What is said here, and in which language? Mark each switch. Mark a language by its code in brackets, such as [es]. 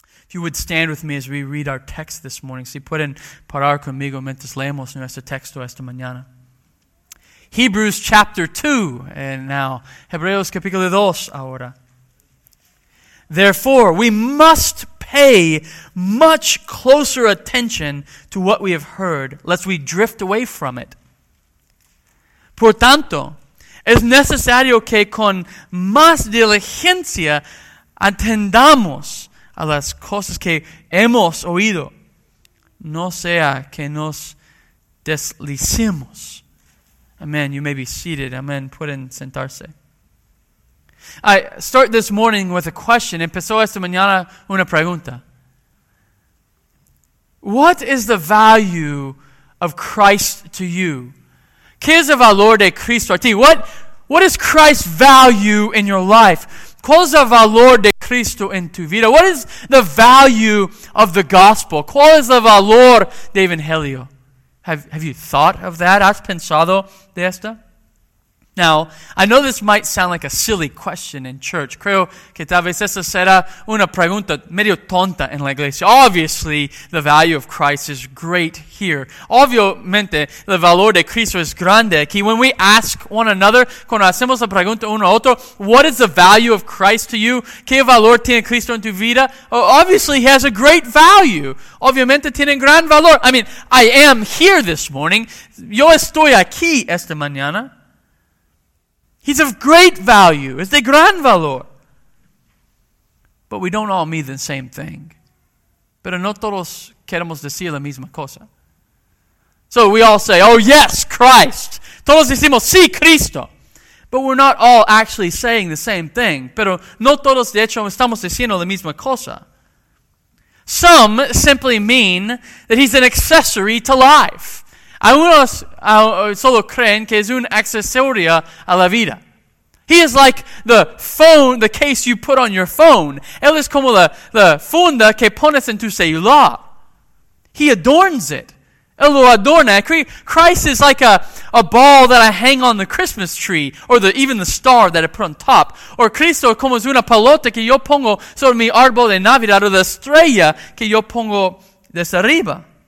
[en] If you would stand with me as we read our text this morning. [es] Si pueden parar conmigo mientras leemos nuestro texto esta mañana. [en] Hebrews chapter 2, and now [es] Hebreos capítulo 2 ahora. [en] Therefore, we must pay much closer attention to what we have heard, lest we drift away from it. [es] Por tanto, es necesario que con más diligencia atendamos a las cosas que hemos oído, no sea que nos deslicemos. [en] Amen. You may be seated. Amen. [es] Pueden sentarse. [en] I start this morning with a question. [es] Empezó esta mañana una pregunta. [en] What is the value of Christ to you? [es] ¿Qué es el valor de Cristo a ti? [en] What is Christ's value in your life? [es] ¿Cuál es el valor de Cristo en tu vida? [en] What is the value of the gospel? [es] ¿Cuál es el valor de Evangelio? [en] Have you thought of that? [es] ¿Has pensado de esta? [en] Now, I know this might sound like a silly question in church. [es] Creo que tal vez esta será una pregunta medio tonta en la iglesia. [en] Obviously, the value of Christ is great here. [es] Obviamente, el valor de Cristo es grande aquí. [en] When we ask one another, [es] cuando hacemos la pregunta uno a otro, [en] what is the value of Christ to you? [es] ¿Qué valor tiene Cristo en tu vida? [en] Obviously, he has a great value. [es] Obviamente, tiene gran valor. [en] I mean, I am here this morning. [es] Yo estoy aquí esta mañana. [en] He's of great value. [es] Es de gran valor. [en] But we don't all mean the same thing. [es] Pero no todos queremos decir la misma cosa. [en] So we all say, oh yes, Christ. [es] Todos decimos, sí, Cristo. [en] But we're not all actually saying the same thing. [es] Pero no todos, de hecho, estamos diciendo la misma cosa. [en] Some simply mean that he's an accessory to life. [es] Algunos solo creen que es un accesorio a la vida. [en] He is like the phone, the case you put on your phone. [es] Él es como la funda que pones en tu celular. [en] He adorns it. [es] Él lo adorna. [en] Christ is like a ball that I hang on the Christmas tree, or even the star that I put on top. [es] Or Cristo como es una pelota que yo pongo sobre mi árbol de Navidad, or the estrella que yo pongo desde arriba.